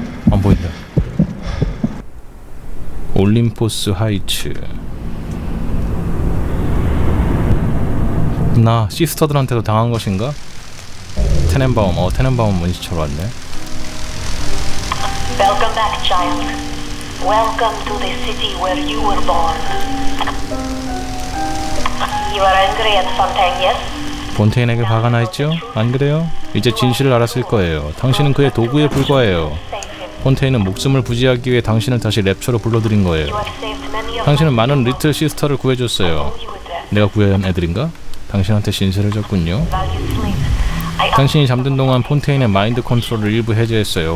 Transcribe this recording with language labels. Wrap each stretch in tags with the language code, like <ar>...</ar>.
<ko>안 보인다. 올림포스 하이츠. 나 시스터들한테도 당한 것인가? 테넨바움, 테넨바움 문신처로 왔네.</ko> <en>Welcome back, child. Welcome to the city where you were born. You are angry at Fontaine, yes?</en> <ko>폰테인에게 화가 나 있죠? 안 그래요? 이제 진실을 알았을 거예요. 당신은 그의 도구에 불과해요. 폰테인은 목숨을 부지하기 위해 당신을 다시 랩처로 불러들인 거예요. 당신은 많은 리틀 시스터를 구해줬어요. 내가 구해준 애들인가? 당신한테 진실을 줬군요. 당신이 잠든 동안 폰테인의 마인드 컨트롤을 일부 해제했어요.</ko>